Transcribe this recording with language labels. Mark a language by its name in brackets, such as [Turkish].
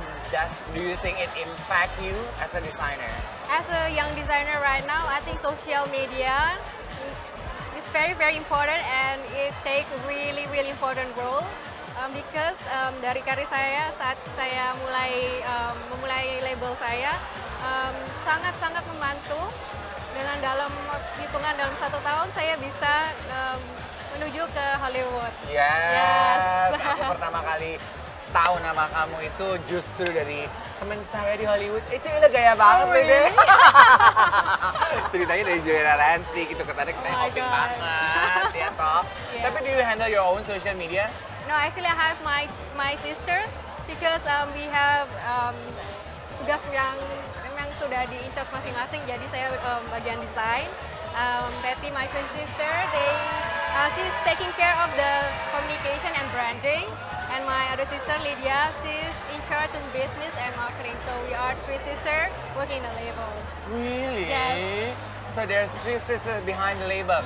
[English] How do you think it impact you as a designer? As a young designer right now, I think social media is very, very important and it takes really, really important role. Because [Indonesian] dari karir saya, saat saya mulai memulai label saya, sangat-sangat membantu. Dengan dalam 1 tahun saya bisa menuju ke Hollywood. [English] Yes. [Indonesian] Aku pertama kali tahu nama kamu itu justru dari teman saya di Hollywood. Itu udah gaya banget nih, deh. Ceritanya dari Joanna Lansky gitu, ketarik naik outfit banget, ya toh. Yeah. Tapi [English] do you handle your own social media? No, actually I have my sisters. because we have [Indonesian] tugas yang memang sudah diincar masing-masing, jadi saya bagian desain. [English] Betty, my twin sister, she's taking care of the communication and branding. And my other sister, Lydia, she's in charge in business and marketing. So we are three sisters working in a label. Really? Yes. So there's three sisters behind the label?